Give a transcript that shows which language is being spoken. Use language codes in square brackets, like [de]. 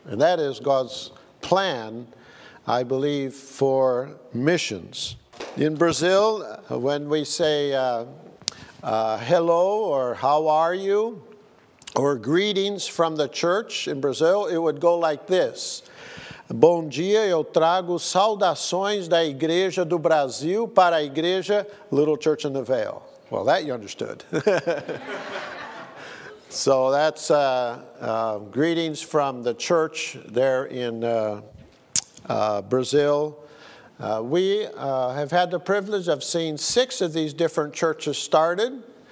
[en] And that is God's plan, I believe, for missions. In Brazil, when we say hello or how are you, or greetings from the church in Brazil, it would go like this. [pt] Bom dia, eu trago saudações da Igreja do Brasil para a Igreja Little Church in the Vale. [en] Well, that you understood. So that's greetings from the church there in Brazil. We have had the privilege of seeing six of these different churches started.